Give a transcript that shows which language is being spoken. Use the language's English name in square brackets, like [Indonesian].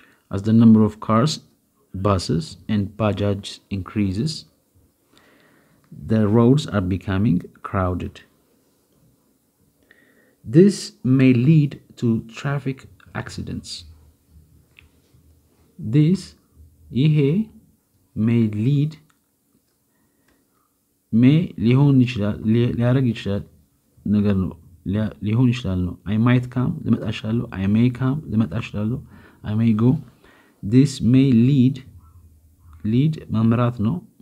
[English] As the number of cars, buses, and bajajs increases, the roads are becoming crowded. This may lead to traffic accidents. This, [Amharic] ይሄ, [English] may lead, may [Amharic] ሊሆን ይችላል, ሊያረግ ይችላል, ነገር ነው, ሊሆን ይችላል ነው. [English] I might come, [Amharic] ልመጣ ይችላል, [English] I may come, ልመጣ ይችላል, I may go. This may lead, lead, [Amharic] መምራት ነው.